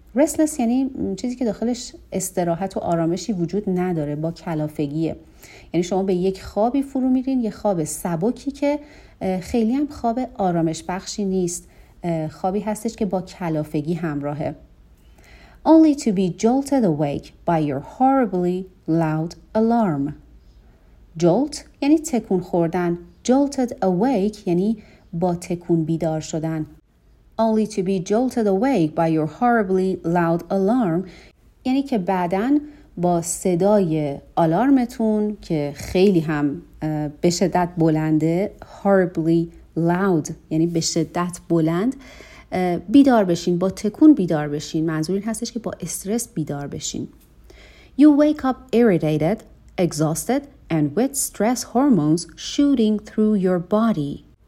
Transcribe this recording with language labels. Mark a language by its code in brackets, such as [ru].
[fa] Restless یعنی چیزی که داخلش استراحت و آرامشی وجود نداره، با کلافگیه. یعنی شما به یک خوابی فرو میرین، یک خواب سبکی که خیلی هم خواب آرامش بخشی نیست، خوابی هستش که با کلافگی همراهه. [en] Only to be jolted awake by your horribly loud alarm. [fa] Jolt یعنی تکون خوردن. [en] Jolted awake [fa] یعنی با تکون بیدار شدن. [en] Only to be jolted awake by your horribly loud alarm [fa] یعنی که بعداً با صدای آلارمتون که خیلی هم به شدت بلنده، [en] horribly loud [fa] یعنی به شدت بلند، بیدار بشین، با تکون بیدار بشین. منظور این هستش که با استرس بیدار بشین. [en] You wake up irritated, exhausted and with stress hormones shooting through your body.